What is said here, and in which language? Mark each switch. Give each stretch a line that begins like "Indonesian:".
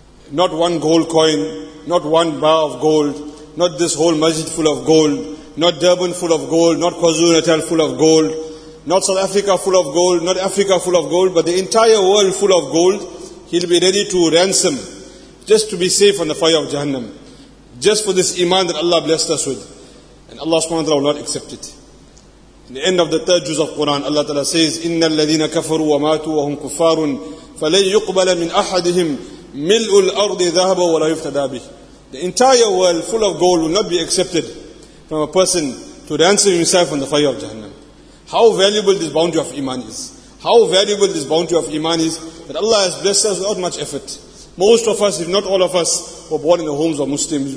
English: Not one gold coin, not one bar of gold, not this whole masjid full of gold, not Durban full of gold, not KwaZulu-Natal full of gold, not South Africa full of gold, not Africa full of gold, but the entire world full of gold, he'll be ready to ransom, just to be safe on the fire of Jahannam, just for this Iman that Allah blessed us with. And Allah subhanahu wa ta'ala will not accept it. In the end of the third juz of Quran, Allah ta'ala says,
Arabic: إِنَّ الَّذِينَ كَفَرُوا وَمَاتُوا وَهُمْ كُفَّارٌ فَلَنْ يُقْبَلَ مِنْ أَحَدِهِمْ مِلْءُ الْأَرْضِ ذَهَبَ وَلَا يُفْتَدَى بِهِ.
English: The entire world full of gold will not be accepted from a person to ransom himself on the fire of Jahannam. How valuable this bounty of Iman is. How valuable this bounty of Iman is that Allah has blessed us without much effort. Most of us, if not all of us, were born in the homes of Muslims.